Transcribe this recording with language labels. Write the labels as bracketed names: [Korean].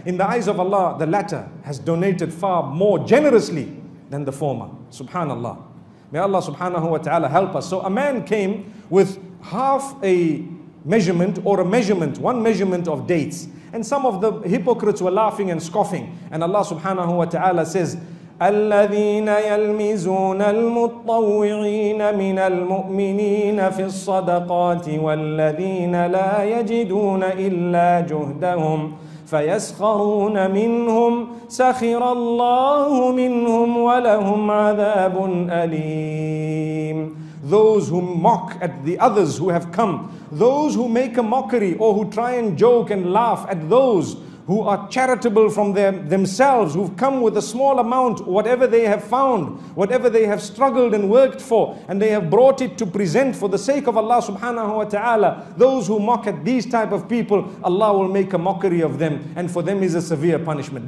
[English] In the eyes of Allah, the latter has donated far more generously than the former. Subhanallah. May Allah subhanahu wa ta'ala help us. So a man came with half a measurement or a measurement, one measurement of dates. And some of the hypocrites were laughing and scoffing. [Arabic] And Allah subhanahu wa ta'ala says, الذين يلمزون المطوعين من المؤمنين في الصدقات والذين لا يجدون إلا جهدهم فيسخرون منهم سخر الله منهم ولهم عذاب أليم. [English] Those who mock at the others who have come, those who make a mockery or who try and joke and laugh at those who are charitable from themselves, who've come with a small amount, whatever they have found, whatever they have struggled and worked for, and they have brought it to present for the sake of Allah subhanahu wa ta'ala, those who mock at these type of people, Allah will make a mockery of them, and for them is a severe punishment.